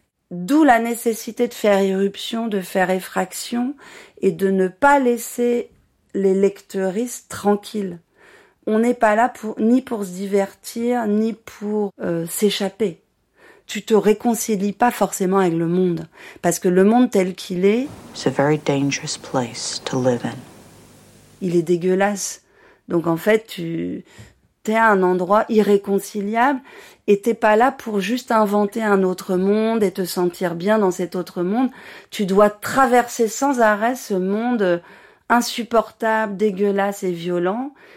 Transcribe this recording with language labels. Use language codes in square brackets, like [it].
[fr] D'où la nécessité de faire irruption, de faire effraction et de ne pas laisser les lectrices tranquilles. On n'est pas là ni pour se divertir, ni pour s'échapper. Tu te réconcilies pas forcément avec le monde. Parce que le monde tel qu'il est... [en] It's a very dangerous place to live in. [fr] Il est dégueulasse. Donc en fait, tu es à un endroit irréconciliable. Et t'es pas là pour juste inventer un autre monde et te sentir bien dans cet autre monde. Tu dois traverser sans arrêt ce monde insupportable, dégueulasse et violent.